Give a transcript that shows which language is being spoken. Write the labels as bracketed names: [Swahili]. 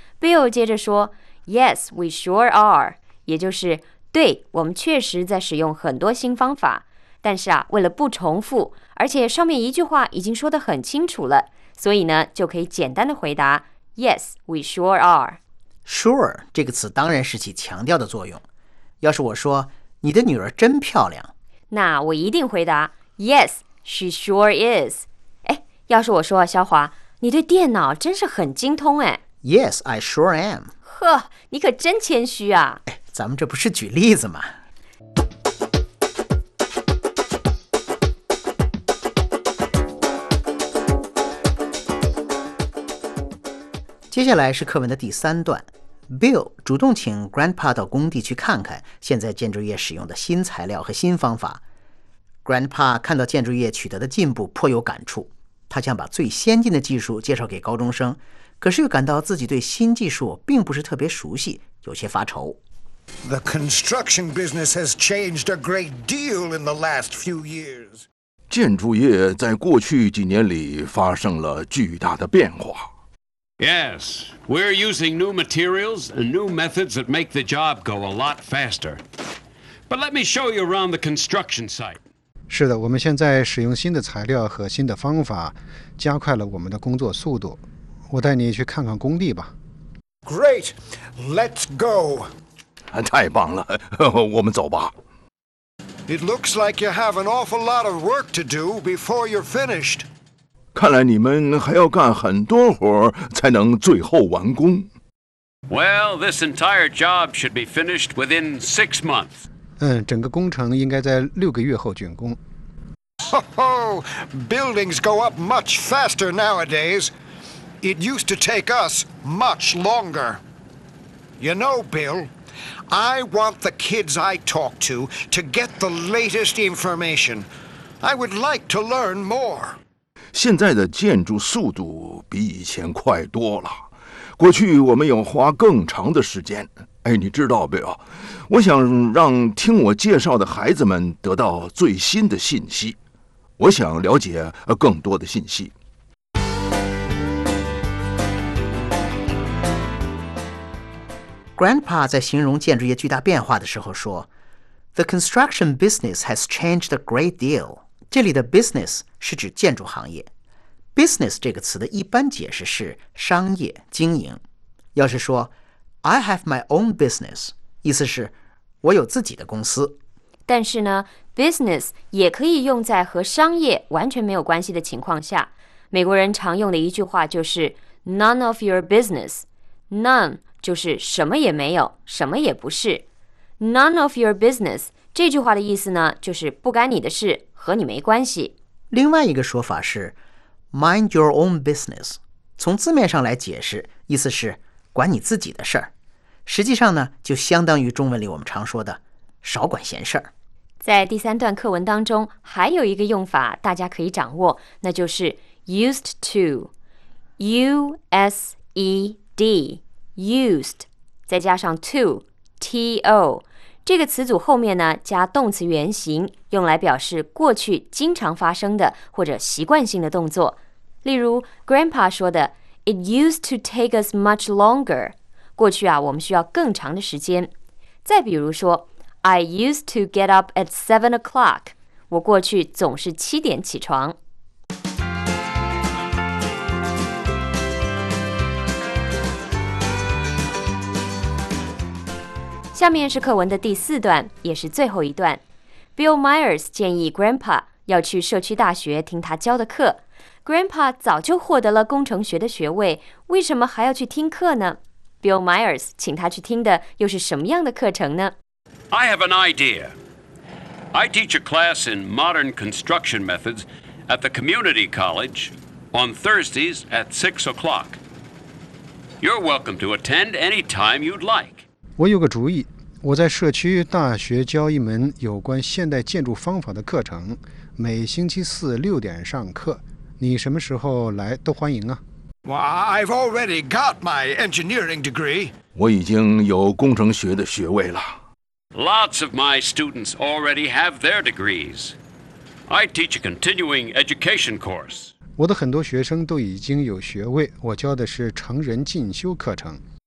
[Chinese] Bill 接着说 , [English] Yes, we sure are, [Chinese] 也就是对，我们确实在使用很多新方法。但是啊，为了不重复，而且上面一句话已经说得很清楚了，所以呢，就可以简单的回答 [English] Yes, we sure are. [Chinese] Sure 这个词当然是起强调的作用。要是我说你的女儿真漂亮，那我一定回答 [English] Yes, she sure is. [Chinese] 哎，要是我说肖华，你对电脑真是很精通哎。 [English] Yes, I sure am. [Chinese] 呵，你可真谦虚啊。哎，咱们这不是举例子吗？接下来是课文的第三段， Bill 主动请 Grandpa 到工地去看看现在建筑业使用的新材料和新方法。 Grandpa 看到建筑业取得的进步颇有感触，他想把最先进的技术介绍给高中生，可是又感到自己对新技术并不是特别熟悉，有些发愁。 [English] The construction business has changed a great deal in the last few years. [Chinese] 建筑业在过去几年里发生了巨大的变化。 [English] Yes, we're using new materials and new methods that make the job go a lot faster. But let me show you around the construction site. [Chinese] 是的，我们现在使用新的材料和新的方法，加快了我们的工作速度。我带你去看看工地吧。 [English] Great, let's go. [Chinese] 太棒了，我们走吧。 [English] It looks like you have an awful lot of work to do before you're finished. [Chinese] 看来你们还要干很多活才能最后完工。 [English] Well, this entire job should be finished within 6 months. [Chinese] 整个工程应该在6个月后竣工。 Ho ho! [English] Buildings go up much faster nowadays. It used to take us much longer. You know, Bill, I want the kids I talk to get the latest information. I would like to learn more. [Chinese] 现在的建筑速度比以前快多了。过去我们有花更长的时间。哎，你知道没有？我想让听我介绍的孩子们得到最新的信息。我想了解更多的信息。 Grandpa 在形容建筑业巨大变化的时候说 [English] The construction business has changed a great deal. [Chinese] 这里的 business 是指建筑行业。Business 这个词的一般解释是商业、经营。要是说 [English] I have my own business, [Chinese] 意思是我有自己的公司。但是呢 ,business 也可以用在和商业完全没有关系的情况下。美国人常用的一句话就是 [English] none of your business。 [Chinese] None 就是什么也没有，什么也不是。 [English] None of your business [Chinese] 这句话的意思呢就是不干你的事，和你没关系。另外一个说法是 [English] mind your own business。 [Chinese] 从字面上来解释，意思是管你自己的事儿。实际上呢就相当于中文里我们常说的少管闲事儿。在第三段课文当中还有一个用法大家可以掌握，那就是 used to。 used, used, 再加上 to, to。这个词组后面呢加动词原形，用来表示过去经常发生的或者习惯性的动作。例如 Grandpa 说的 [English] It used to take us much longer。 [Chinese] 过去啊我们需要更长的时间。再比如说 [English] I used to get up at 7 o'clock. [Chinese] 我过去总是7点起床。下面是课文的第四段，也是最后一段。Bill Myers 建议 Grandpa 要去社区大学听他教的课。 Grandpa 早就获得了工程学的学位，为什么还要去听课呢？ Bill Myers 请他去听的又是什么样的课程呢？ [English] I have an idea. I teach a class in modern construction methods at the community college on Thursdays at 6 o'clock. You're welcome to attend any time you'd like. [Chinese] 我有个主意，我在社区大学教一门有关现代建筑方法的课程，每星期四6点上课。你什么时候来都欢迎啊。 [English] Well, I've already got my engineering degree. [Chinese] 我已经有工程学的学位了。 [English] Lots of my students already have their degrees. I teach a continuing education course. [Chinese] 我的很多学生都已经有学位，我教的是成人进修课程。